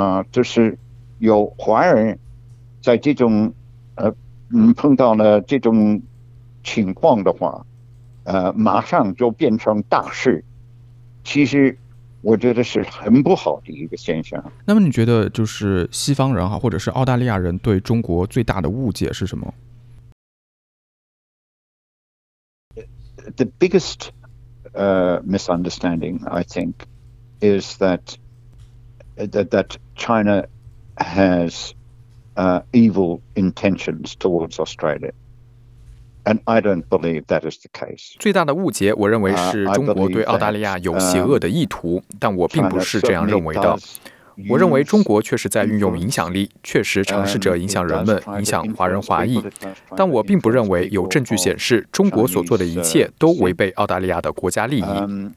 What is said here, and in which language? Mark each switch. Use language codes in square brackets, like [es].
[zh] 就是有华人在这种碰到了这种情况的话，马上就变成大事。其实我觉得是很不好的一个现象。那么你觉得就是西方人或者是澳大利亚人对中国最大的误解是什么？ [en] The biggest misunderstanding, I think, is that China has evil intentions towards Australia. And I don't believe that is the case. [zh] 最大的误解我认为是中国对澳大利亚有邪恶的意图，但我并不是这样认为的。我认为中国确实在运用影响力，确实尝试着影响人们，影响华人华裔，但我并不认为有证据显示中国所做的一切都违背澳大利亚的国家利益。